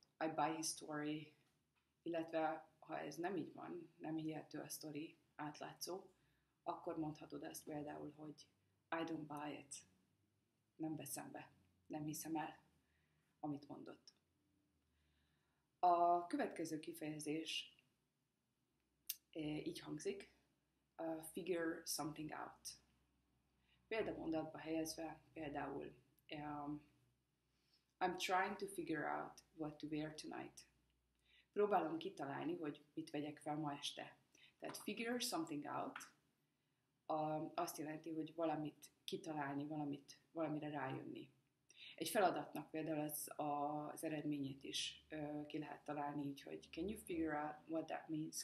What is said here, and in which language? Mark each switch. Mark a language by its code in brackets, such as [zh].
[en] I buy his story. [hu] Illetve, ha ez nem így van, nem hihető a sztori, átlátszó, akkor mondhatod ezt például, hogy [en] I don't buy it. [hu] Nem veszem be. Nem hiszem el, amit mondott. A következő kifejezés így hangzik. [en] Figure something out. [hu] Példamondatba helyezve, például [en] I'm trying to figure out what to wear tonight. [hu] Próbálom kitalálni, hogy mit vegyek fel ma este. Tehát [en] figure something out [hu] azt jelenti, hogy valamit kitalálni, valamire rájönni. Egy feladatnak például az eredményét is ki lehet találni, így, hogy [en] can you figure out what that means?